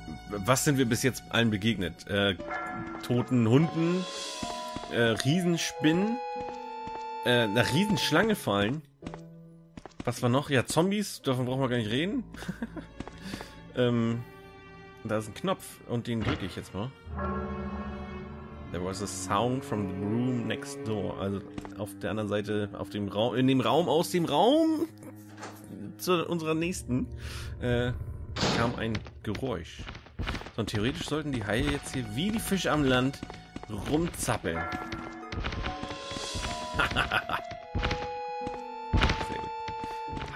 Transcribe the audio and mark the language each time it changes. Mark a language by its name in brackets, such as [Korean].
[German] Was sind wir bis jetzt allen begegnet? Toten Hunden, Riesenspinnen, eine Riesenschlange fallen. Was war noch? Ja, Zombies, davon brauchen wir gar nicht reden. Da ist ein Knopf und den drücke ich jetzt mal. [English] There was a sound from the room next door. [German] Also auf der anderen Seite, auf dem Raum, in dem Raum, aus dem Raum zu unserer nächsten, kam ein Geräusch. So, und theoretisch sollten die Haie jetzt hier wie die Fische am Land rumzappeln. Sehr gut.